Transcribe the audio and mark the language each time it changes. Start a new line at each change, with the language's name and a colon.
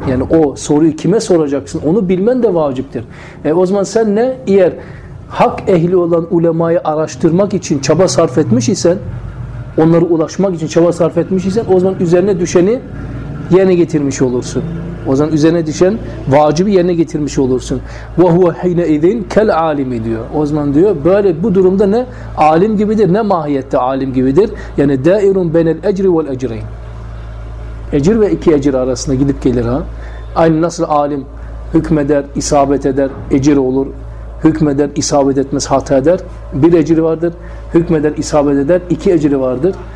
Turkish: Yani o soruyu kime soracaksın onu bilmen de vaciptir. O zaman sen ne? Eğer hak ehli olan ulemayı araştırmak için çaba sarf etmiş isen, onlara ulaşmak için çaba sarf etmiş isen o zaman üzerine düşeni yerine getirmiş olursun. O zaman üzerine düşen vacibi yerine getirmiş olursun.
Arabic: وَهُوَ حِينَ اِذِنْ كَالْعَالِمِ
Turkish: diyor. O zaman diyor böyle bu durumda ne? Alim gibidir. Ne mahiyette alim gibidir? Yani
Arabic: دَائِرٌ بَنَ الْاَجْرِ وَالْاَجْرَيْنِ
Turkish: Ecir ve iki ecir arasında gidip gelir ha. Aynı nasıl alim hükmeder, isabet eder, ecir olur. Hükmeder, isabet etmez, hata eder. Bir ecir vardır. Hükmeder, isabet eder, iki ecir vardır.